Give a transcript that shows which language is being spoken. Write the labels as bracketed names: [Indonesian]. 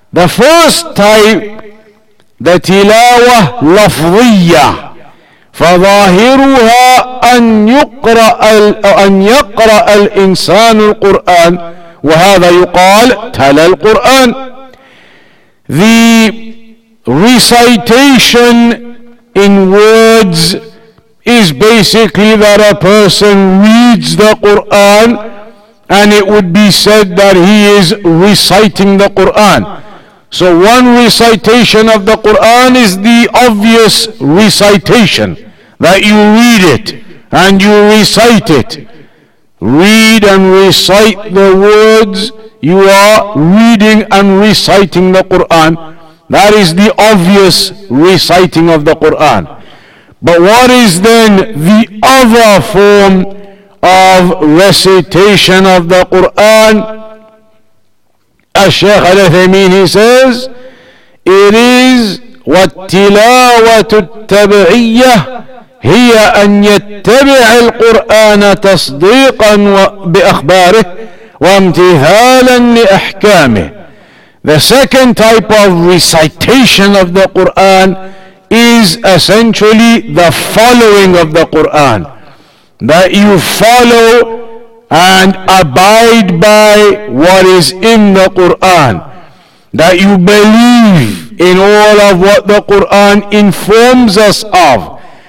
[English] The first type, the tilawah lafziyah, [Arabic] فظاهرها أن يقرأ الإنسان القرآن، وهذا يقال تلا القرآن. [English] The recitation in words is basically that a person reads the Qur'an, and it would be said that he is reciting the Qur'an. So one recitation of the Qur'an is the obvious recitation, that you read it and you recite it. Read and recite the words, you are reading and reciting the Qur'an. That is the obvious reciting of the Qur'an. But what is then the other form of recitation of the Qur'an? As-Shaykh Al-Uthaymeen, he says, it is [Arabic] وَالتِّلَاوَةُ التَّبْعِيَّةُ هي أن يتبع القرآن تصديقا بأخباره وامتثالا لأحكامه. [English] The second type of recitation of the Quran is essentially the following of the Quran, that you follow and abide by what is in the Quran, that you believe in all of what the Quran informs us of,